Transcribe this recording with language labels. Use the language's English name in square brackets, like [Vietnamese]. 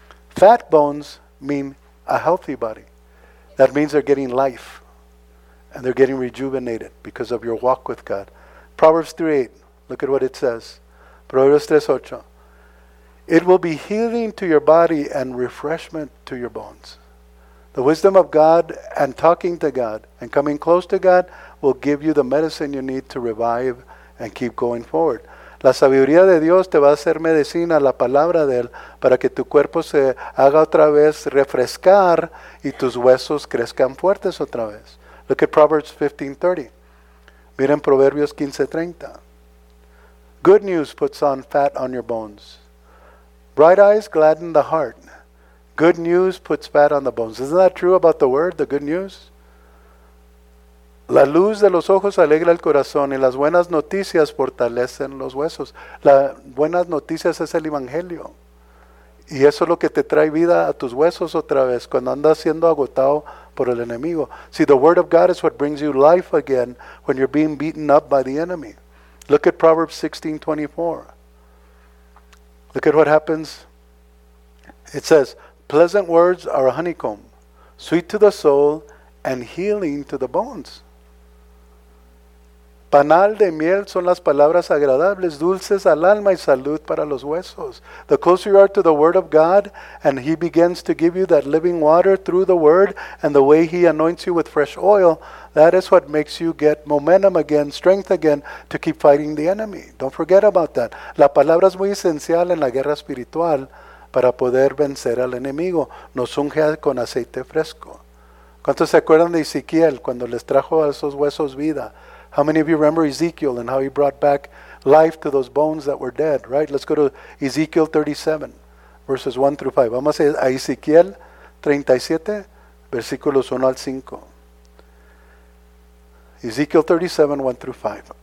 [English] Fat bones mean a healthy body. That means they're getting life and they're getting rejuvenated because of your walk with God. Proverbs 3:8. Look at what it says. Proverbs 3:8. It will be healing to your body and refreshment to your bones. The wisdom of God and talking to God and coming close to God will give you the medicine you need to revive and keep going forward. [Spanish] La sabiduría de Dios te va a hacer medicina, la palabra de Él, para que tu cuerpo se haga otra vez refrescar y tus huesos crezcan fuertes otra vez. [English] Look at Proverbs 15:30. [Spanish] Miren Proverbios 15:30. [English] Good news puts on fat on your bones. Bright eyes gladden the heart. Good news puts fat on the bones. Isn't that true about the word, the good news? [Spanish] La luz de los ojos alegra el corazón y las buenas noticias fortalecen los huesos. La buenas noticias es el evangelio. Y eso es lo que te trae vida a tus huesos otra vez cuando andas siendo agotado por el enemigo. [English] See, the word of God is what brings you life again when you're being beaten up by the enemy. Look at Proverbs 16:24. Look at what happens. It says, pleasant words are a honeycomb, sweet to the soul and healing to the bones. [Spanish] Panal de miel son las palabras agradables, dulces al alma y salud para los huesos. [English] The closer you are to the word of God and he begins to give you that living water through the word and the way he anoints you with fresh oil, that is what makes you get momentum again, strength again, to keep fighting the enemy. Don't forget about that. [Spanish] La palabra es muy esencial en la guerra espiritual para poder vencer al enemigo. Nos unge con aceite fresco. ¿Cuántos se acuerdan de Ezequiel cuando les trajo a esos huesos vida? [English] How many of you remember Ezekiel and how he brought back life to those bones that were dead, right? Let's go to Ezekiel 37, verses 1 through 5. [Spanish] Vamos a Ezekiel 37, versículos 1 al 5. [English] Ezekiel 37, 1 through 5.